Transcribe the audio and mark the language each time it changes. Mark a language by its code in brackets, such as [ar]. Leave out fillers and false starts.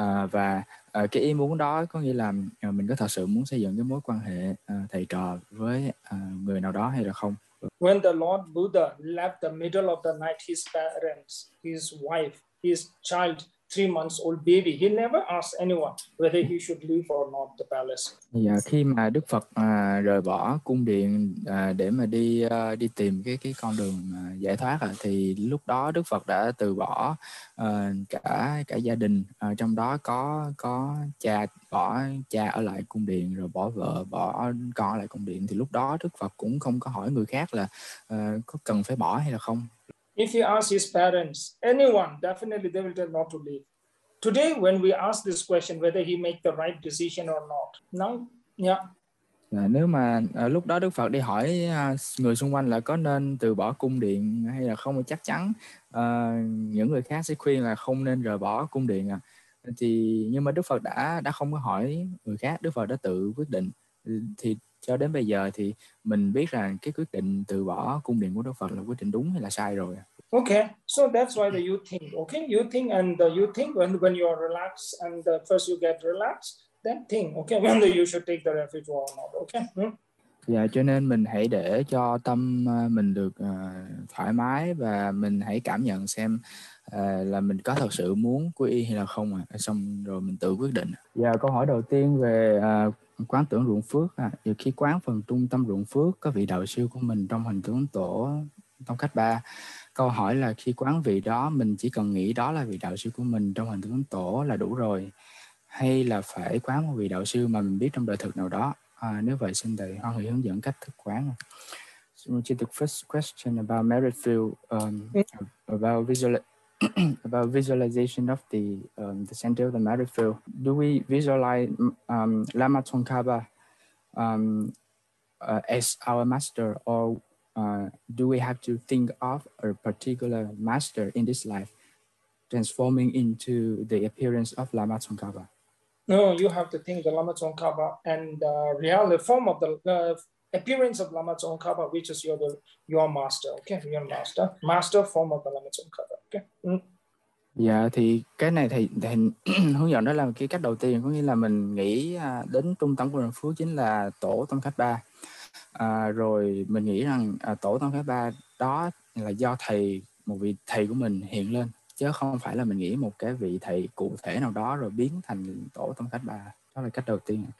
[vi] Và cái ý muốn đó có nghĩa là mình có thật sự muốn xây dựng cái mối quan hệ thầy trò với người nào đó hay là không. [en] When the Lord Buddha left the middle of the night, his parents, his wife, his child, 3 months old baby, he never asked anyone whether he should leave or not the palace. [vi] Yeah, khi mà Đức Phật rời bỏ cung điện để mà đi đi tìm cái con đường giải thoát thì lúc đó Đức Phật đã từ bỏ cả gia đình, trong đó có cha, bỏ cha ở lại cung điện, rồi bỏ vợ, bỏ con ở lại cung điện. Thì lúc đó Đức Phật cũng không có hỏi người khác là có cần phải bỏ hay là không. [en] If you ask his parents, anyone, definitely they will tell not to leave. Today, when we ask this question, whether he make the right decision or not. Now, yeah. [vi] À, nếu mà lúc đó Đức Phật đi hỏi người xung quanh là có nên từ bỏ cung điện hay là không, chắc chắn những người khác sẽ khuyên là không nên rời bỏ cung điện. Thì nhưng mà Đức Phật đã không có hỏi người khác, Đức Phật đã tự quyết định. Thì cho đến bây giờ thì mình biết rằng cái quyết định từ bỏ cung điện của Đức Phật là quyết định đúng hay là sai rồi. [en] Okay, so that's why you think. Okay, you think and you think when you are relaxed and first you get relaxed, then think. Okay, whether you should take the refuge or not. Okay. [vi] Yeah, cho nên mình hãy để cho tâm mình được thoải mái và mình hãy cảm nhận xem là mình có thật sự muốn quy y hay là không. Xong rồi mình tự quyết định. Yeah, câu hỏi đầu tiên về quán tưởng ruộng phước. Giờ khi quán phần trung tâm ruộng phước có vị đạo siêu của mình trong hình tướng tổ tông cách ba. Câu hỏi là khi quán vị đó, mình chỉ cần nghĩ đó là vị đạo siêu của mình trong hình tướng tổ là đủ rồi, hay là phải quán một vị đạo siêu mà mình biết trong đời thực nào đó? Nếu vậy xin thầy Hoan Hỷ hướng dẫn cách thức quán. [en] So the first question about merit field, about visualization of the center of the merit field. Do we visualize Lama Tsongkhapa as our master, or do we have to think of a particular master in this life transforming into the appearance of Lama Tsongkhapa? No, you have to think the Lama Tsongkhapa and the reality form of the appearance of Lama Tsongkhapa, which is your master, okay? Your master form of the Lama Tsongkhapa, okay? [vi] Dạ, thì cái này thì hướng dẫn đó là cái cách đầu tiên, có nghĩa là mình nghĩ đến trung tâm của Đồng Phú chính là tổ Tông Khách Ba. Rồi mình nghĩ rằng tổ Tông Khách Ba đó là do thầy, một vị thầy của mình hiện lên, chứ không phải là mình nghĩ một cái vị thầy cụ thể nào đó rồi biến thành tổ Tông Khách Ba. Đó là cách đầu tiên.